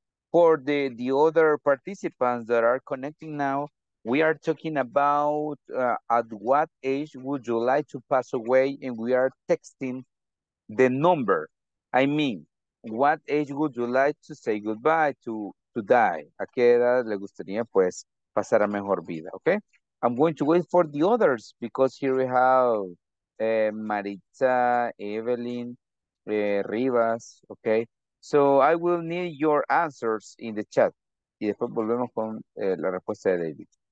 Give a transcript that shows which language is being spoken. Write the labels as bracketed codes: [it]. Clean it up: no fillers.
[en] For the other participants that are connecting now, we are talking about at what age would you like to pass away, and we are texting the number. I mean, what age would you like to say goodbye to die? [es] ¿A qué edad le gustaría, pues, pasar a mejor vida? [en] Okay? I'm going to wait for the others because here we have Maritza, Evelyn, Rivas, okay? So I will need your answers in the chat. [es] Y después volvemos con la respuesta de David.